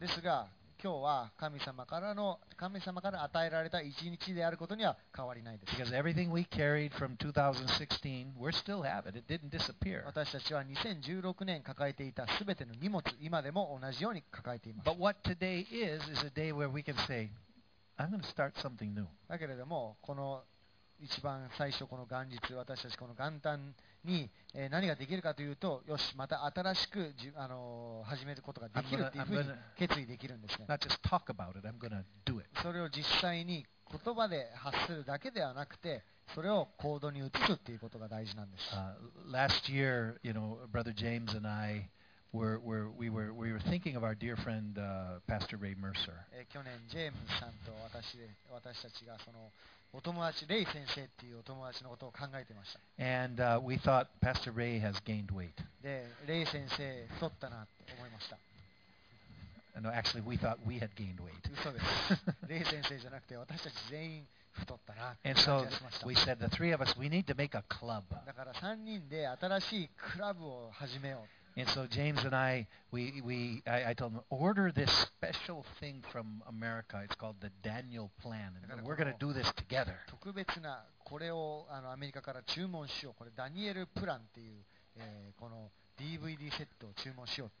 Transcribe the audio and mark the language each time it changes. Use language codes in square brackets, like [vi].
[ja] ですが今日は神様から与えられた一日であることには変わりないです。 [en] Because everything we carried from 2016, we still have it. It didn't disappear. [ja] 私たちは2016年抱えていたすべての荷物、今でも同じように抱えています。 [en] But what today is a day where we can say, I'm going to start something new. [ja] だけれども、この一番最初この元日、私たちこの元旦に何ができるかというと、よし、また新しく始めることができるというふうに決意できるんですね。 [en] Not just talk about it, I'm gonna do it. [ja] それを実際に言葉で発するだけではなくて、それを行動に移すっていうことが大事なんです。 [en] Last year, you know, Brother James and I we were thinking of our dear friend, Pastor Ray Mercer. [ja] 去年、ジェームさんと私たちがそのお友達レイ先生っていうお友達のことを考えてました。 [en] And we thought Pastor Ray has gained weight. [ja] で、レイ先生太ったなって思いました。 [en] No, actually we thought we had gained weight. [ja] 嘘です。レイ先生じゃなくて私たち全員太ったな。 [en] And so we said the three of us we need to make a club. [ja] だから3人で新しいクラブを始めよう。 [en] And so James and I, I told him, order this special thing from America. It's called the Daniel Plan. And we're going to do this together. [ja] 特別なこれをアメリカから注文しよう。これダニエルプランっていう、この DVD セットを注文しよう。